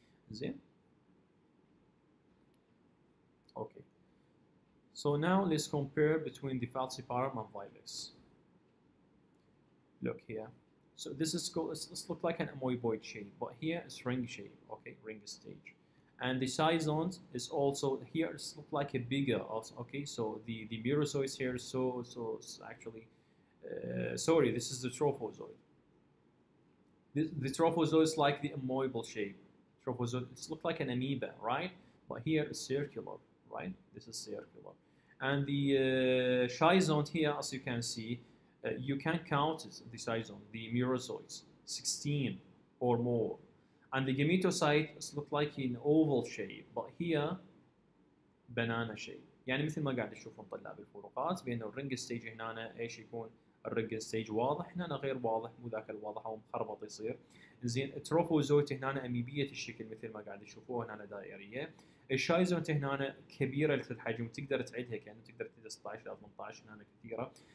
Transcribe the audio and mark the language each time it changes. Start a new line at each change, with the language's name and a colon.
English: زين okay so now let's compare بين the falciparum and vivax. Look here so this is cools look like an amoeboid shape, but here is ring shape, okay ring stage. And the schizont is also here. It looks like a bigger. Also, okay, so the merozoite here. So it's actually, sorry, this is the trophozoite. The trophozoite is like the amoebal shape. Trophozoite. It looks like an amoeba, right? But here it's circular, right? This is circular. And the schizont here, as you can see, you can count the schizont, the merozoites, 16 or more. And the gametocyte looks like an oval shape, but here, banana shape.
Arabic: يعني مثل ما قاعد تشوفون طلاب الفروقات بين الرينج ستيج هنا ايش يكون الرينج ستيج واضح، هنا غير واضح، مو ذاك الواضح او مخربط يصير. زين التروفوزويت هنا اميبيه الشكل مثل ما قاعد تشوفوه هنا دائريه. الشايزونت هنا كبيره في الحجم تقدر تعدها كانه تقدر تعد 16 الى 18 هنا كثيره.